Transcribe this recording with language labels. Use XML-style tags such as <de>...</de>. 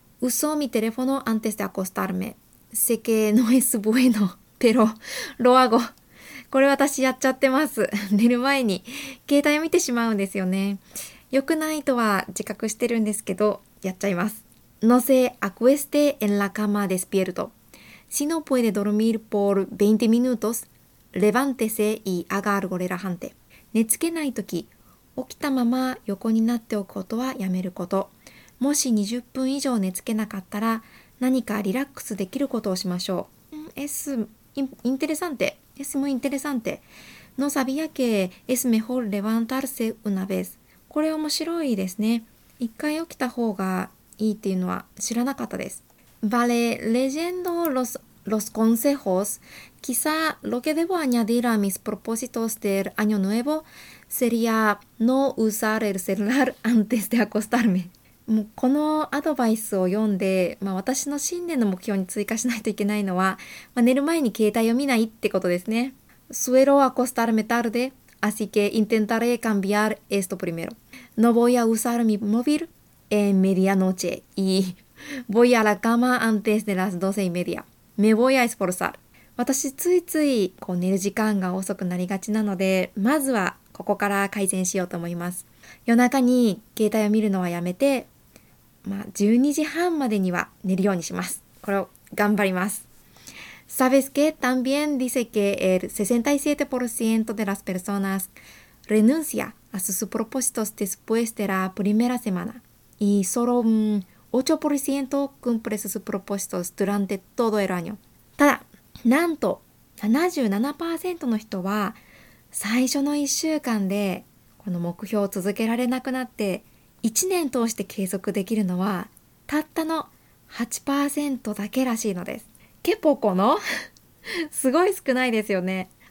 <es>Uso mi teléfono antes de acostarme. Sé que no es bueno, pero lo hago.</es> <ja>これ私やっちゃってます。寝る前に携帯を見てしまうんですよね。良くないとは自覚してるんですけど、やっちゃいます。</ja> <es>No se acueste en la cama despierto. Si no puede dormir por 20 minutos, levántese y haga algo relajante.</es> <ja>寝つけないとき、起きたまま横になっておくことはやめること。もし20分以上寝つけなかったら、何かリラックスできることをしましょう。</ja> <es>Es interesante. Es muy interesante. No sabía que es mejor levantarse una vez.</es> <ja>これ面白いですね。一回起きた方がいいっていうのは知らなかったです。</ja> <es>Vale, leyendo los consejos, quizá lo que debo añadir a mis propósitos del año nuevo sería no usar el celular antes de acostarme.</es> <ja>もうこのアドバイスを読んで、まあ、私の新年の目標に追加しないといけないのは、まあ、寝る前に携帯を見ないってことですね。</ja> <es>Suelo acostarme tarde, así que intentaré cambiar esto primero. No voy a usar mi móvil en medianoche y voy a la cama antes de las 12 y media. Me voy a esforzar.</es> <ja>私ついついこう寝る時間が遅くなりがちなので、まずはここから改善しようと思います。夜中に携帯を見るのはやめて、まあ、12時半までには寝るようにします。これを頑張ります。</ja> <es>Sabes que también dice que el 67% de las personas renuncia a sus propósitos después de la primera semana y solo un 8% cumple sus propósitos durante todo el año.</es> <ja>ただ、なんと 77% の人は最初の1週間でこの目標を続けられなくなって1年通して継続できるのはたったの 8% だけらしいのです。結構このすごい少ないですよね。</ja>